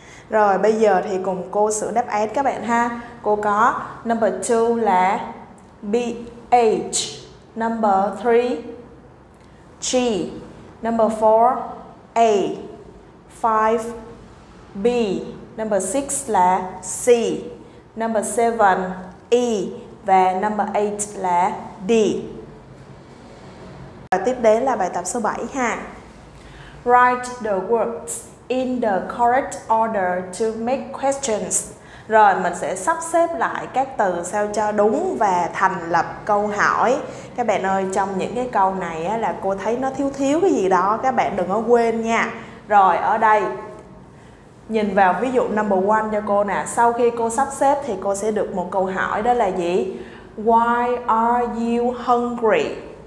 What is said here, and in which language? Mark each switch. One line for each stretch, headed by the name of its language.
Vietnamese: Rồi bây giờ thì cùng cô sửa đáp án các bạn ha. Cô có number 2 là BH, number 3 G, number 4 A, 5 B, number 6 là C, number 7 E và number 8 là D. Và tiếp đến là bài tập số 7 ha.
English: Write the words in the correct order to make questions.
Vietnamese: Rồi mình sẽ sắp xếp lại các từ sao cho đúng và thành lập câu hỏi. Các bạn ơi, trong những cái câu này á, là cô thấy nó thiếu thiếu cái gì đó, các bạn đừng có quên nha. Rồi ở đây, nhìn vào ví dụ number one cho cô nè. Sau khi cô sắp xếp thì cô sẽ được một câu hỏi đó là gì?
English: Why are you hungry?